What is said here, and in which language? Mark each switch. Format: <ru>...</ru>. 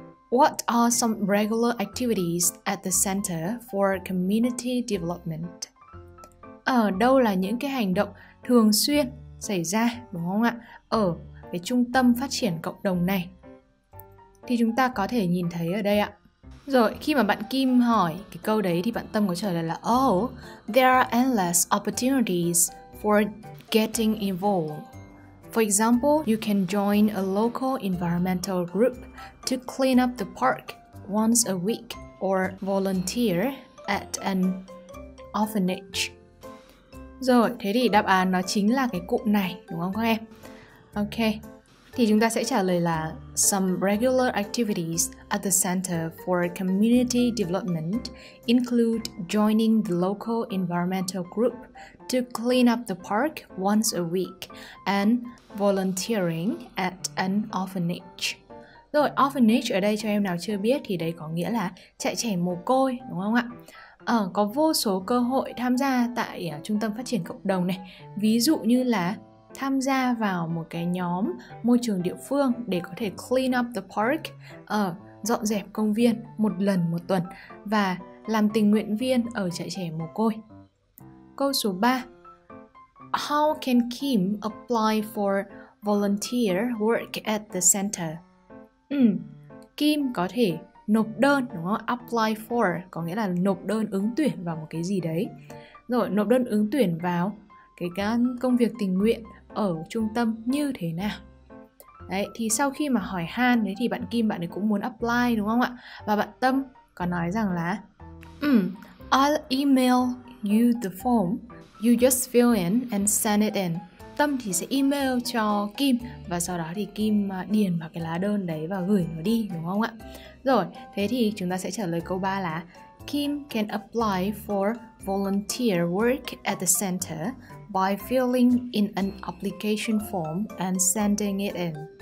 <en>What are some regular activities at the center for community development?</en> <vi>Đâu là những cái hành động thường xuyên xảy ra, đúng không ạ, ở cái trung tâm phát triển cộng đồng này? Thì chúng ta có thể nhìn thấy ở đây ạ. Rồi, khi mà bạn Kim hỏi cái câu đấy thì bạn Tâm có trả lời là oh,</vi> <en>there are endless opportunities for getting involved. For example, you can join a local environmental group to clean up the park once a week or volunteer at an orphanage.</en> <vi>Rồi, thế thì đáp án nó chính là cái cụm này, đúng không các em? Ok,</vi> <en>thì chúng ta sẽ trả lời là some regular activities at the Center for Community Development include joining the local environmental group to clean up the park once a week and volunteering at an orphanage.</en> <vi>Rồi, orphanage ở đây cho em nào chưa biết thì đấy có nghĩa là trại trẻ mồ côi, đúng không ạ? Có vô số cơ hội tham gia tại trung tâm phát triển cộng đồng này. Ví dụ như là tham gia vào một cái nhóm môi trường địa phương để có thể</vi> <en>clean up the park,</en> <vi>dọn dẹp công viên một lần một tuần và làm tình nguyện viên ở trại trẻ mồ côi. Câu số 3.</vi> <en>How can Kim apply for volunteer work at the center?</en> <vi>Kim có thể nộp đơn, đúng không? Apply for có nghĩa là nộp đơn ứng tuyển vào một cái gì đấy. Rồi, nộp đơn ứng tuyển vào cái công việc tình nguyện ở trung tâm như thế nào? Đấy, thì sau khi mà hỏi Han đấy thì bạn Kim bạn ấy cũng muốn apply, đúng không ạ? Và bạn Tâm có nói rằng là</vi> <en>I'll email you the form, you just fill in and send it in.</en> <vi>Tâm thì sẽ email cho Kim và sau đó thì Kim điền vào cái lá đơn đấy và gửi nó đi, đúng không ạ? Rồi, thế thì chúng ta sẽ trả lời câu 3 là</vi> <en>Kim can apply for volunteer work at the center by filling in an application form and sending it in.</en>